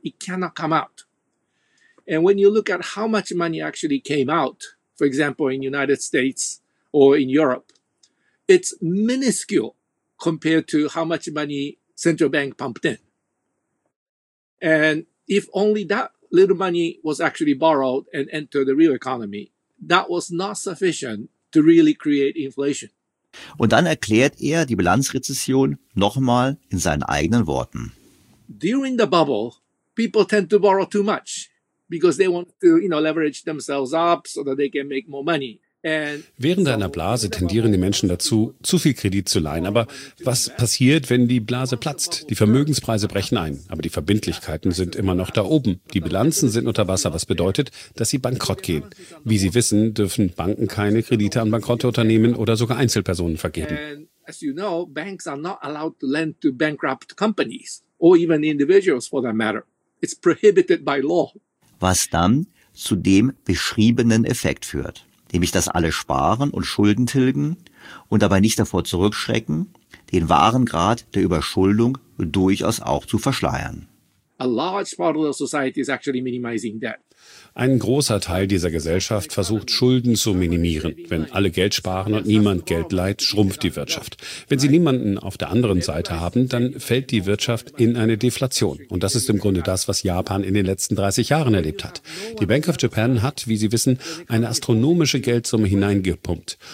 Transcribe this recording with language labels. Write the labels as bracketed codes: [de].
[en] It cannot come out. And when you look at how much money actually came out, for example, in the United States or in Europe, it's minuscule compared to how much money central bank pumped in. And if only that little money was actually borrowed and entered the real economy, that was not sufficient to really create inflation. [de] Und dann erklärt er die Bilanzrezession nochmal in seinen eigenen Worten. [en] During the bubble, people tend to borrow too much because they want to, you know, leverage themselves up so that they can make more money. [de] Während einer Blase tendieren die Menschen dazu, zu viel Kredit zu leihen. Aber was passiert, wenn die Blase platzt? Die Vermögenspreise brechen ein, aber die Verbindlichkeiten sind immer noch da oben. Die Bilanzen sind unter Wasser, was bedeutet, dass sie bankrott gehen. Wie Sie wissen, dürfen Banken keine Kredite an bankrotte Unternehmen oder sogar Einzelpersonen vergeben. [en] As you know, banks are not allowed to lend to bankrupt companies or even individuals for that matter. It's prohibited by law. [de] Was dann zu dem beschriebenen Effekt führt. Nämlich, dass alle sparen und Schulden tilgen und dabei nicht davor zurückschrecken, den wahren Grad der Überschuldung durchaus auch zu verschleiern. [en] A large part of the society is actually minimizing debt. [de] Ein großer Teil dieser Gesellschaft versucht, Schulden zu minimieren. Wenn alle Geld sparen und niemand Geld leiht, schrumpft die Wirtschaft. Wenn sie niemanden auf der anderen Seite haben, dann fällt die Wirtschaft in eine Deflation. Und das ist im Grunde das, was Japan in den letzten 30 Jahren erlebt hat. Die Bank of Japan hat, wie Sie wissen, eine astronomische Geldsumme hineingepumpt.